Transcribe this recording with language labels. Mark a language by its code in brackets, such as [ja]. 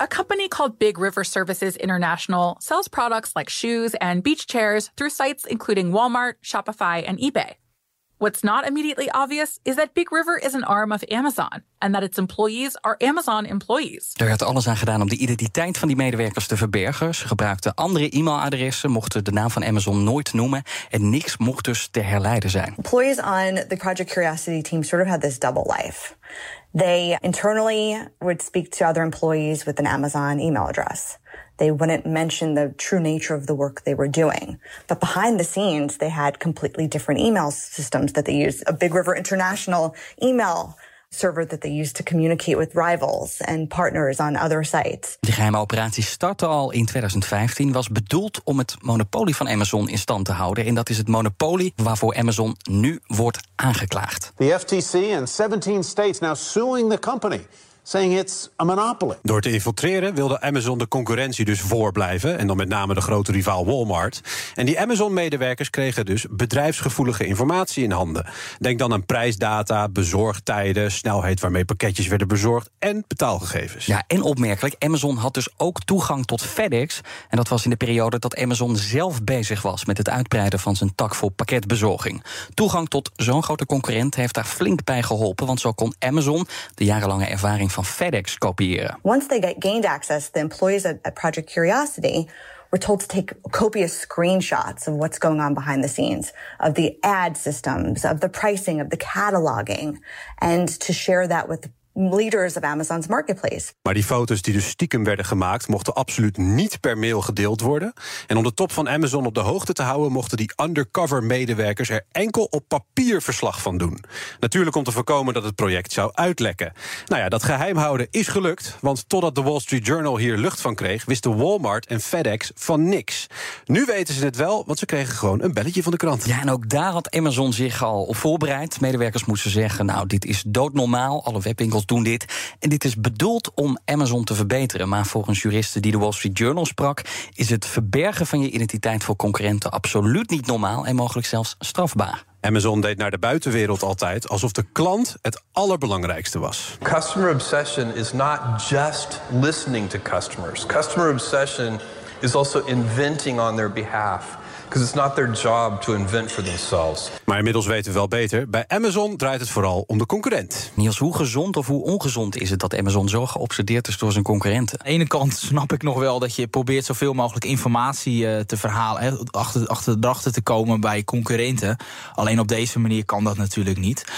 [en] A company called Big River Services International sells products like shoes and beach chairs through sites including Walmart, Shopify and eBay. What's not immediately obvious is that Big River is an arm of Amazon and that its employees are Amazon employees. [nl] Er werd alles aan gedaan om de identiteit van die medewerkers te verbergen. Ze gebruikten andere e-mailadressen, mochten de naam van Amazon nooit noemen en niks mocht dus te herleiden zijn. [en] Employees on the Project Curiosity team sort of had this double life. They internally would speak to other employees with an Amazon email address. They wouldn't mention the true nature of the work they were doing. But behind the scenes, they had completely different email systems that they used. A Big River International email server that they used to communicate with rivals and partners on other sites. [nl] De geheime operatie startte al in 2015, was bedoeld om het monopolie van Amazon in stand te houden. En dat is het monopolie waarvoor Amazon nu wordt aangeklaagd. [en] The FTC and 17 states now suing the company. Saying it's a monopoly. [nl] Door te infiltreren wilde Amazon de concurrentie dus voorblijven. En dan met name de grote rivaal Walmart. En die Amazon-medewerkers kregen dus bedrijfsgevoelige informatie in handen. Denk dan aan prijsdata, bezorgtijden, snelheid waarmee pakketjes werden bezorgd en betaalgegevens. Ja, en opmerkelijk, Amazon had dus ook toegang tot FedEx. En dat was in de periode dat Amazon zelf bezig was met het uitbreiden van zijn tak voor pakketbezorging. Toegang tot zo'n grote concurrent heeft daar flink bij geholpen, want zo kon Amazon de jarenlange ervaring van FedEx kopiëren. [en] Once they gained access, the employees at Project Curiosity were told to take copious screenshots of what's going on behind the scenes, of the ad systems, of the pricing, of the cataloging, and to share that with leaders of Amazon's marketplace. [nl] Maar die foto's die dus stiekem werden gemaakt mochten absoluut niet per mail gedeeld worden. En om de top van Amazon op de hoogte te houden mochten die undercover medewerkers er enkel op papier verslag van doen. Natuurlijk om te voorkomen dat het project zou uitlekken. Nou ja, dat geheimhouden is gelukt, want totdat de Wall Street Journal hier lucht van kreeg, wisten Walmart en FedEx van niks. Nu weten ze het wel, want ze kregen gewoon een belletje van de krant. Ja, en ook daar had Amazon zich al op voorbereid. Medewerkers moesten zeggen, nou, dit is doodnormaal, alle webwinkels doen dit. En dit is bedoeld om Amazon te verbeteren. Maar volgens juristen die de Wall Street Journal sprak, is het verbergen van je identiteit voor concurrenten absoluut niet normaal en mogelijk zelfs strafbaar. Amazon deed naar de buitenwereld altijd alsof de klant het allerbelangrijkste was. [en] Customer obsession is not just listening to customers. Customer obsession is also inventing on their behalf. Because it's not their job to invent for themselves. [nl] Maar inmiddels weten we wel beter. Bij Amazon draait het vooral om de concurrent. Niels, hoe gezond of hoe ongezond is het dat Amazon zo geobsedeerd is door zijn concurrenten? Aan de ene kant snap ik nog wel dat je probeert zoveel mogelijk informatie te verhalen. Achter de drachten te komen bij concurrenten. Alleen op deze manier kan dat natuurlijk niet.